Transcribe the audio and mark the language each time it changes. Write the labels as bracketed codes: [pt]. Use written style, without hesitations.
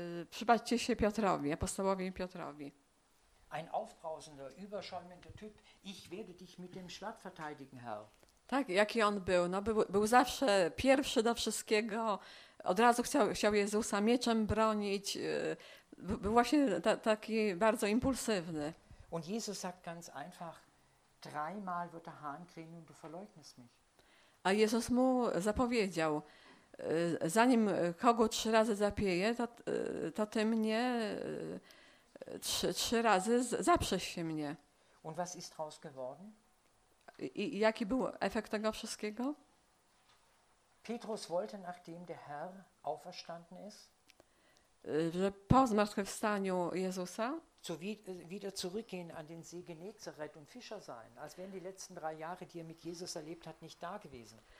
[pl] Przypatrzcie się Piotrowi, apostołowi Piotrowi. [de] Ein aufbrausender, überschäumender Typ. Ich werde dich mit dem Schwert verteidigen, Herr. [pl] Tak, jaki on był. No, był zawsze pierwszy do wszystkiego. Od razu chciał Jezusa mieczem bronić. Był właśnie taki bardzo impulsywny. [de] Und Jesus sagt ganz einfach, Dreimal wird der Hahn krähen und du verleugnest mich. [pl] A Jezus mu zapowiedział, zanim kogo trzy razy zapieje, to ty mnie trzy razy zaprzesz się mnie. [de] Und was ist draus geworden? [pl] I jaki był efekt tego wszystkiego? [de] Petrus wollte, nachdem der Herr auferstanden ist, [pl] że po zmartwychwstaniu Jezusa [de] wieder zurückgehen an den See Genezareth und Fischer sein, als wären die letzten drei Jahre, die er mit Jesus erlebt hat, nicht da gewesen.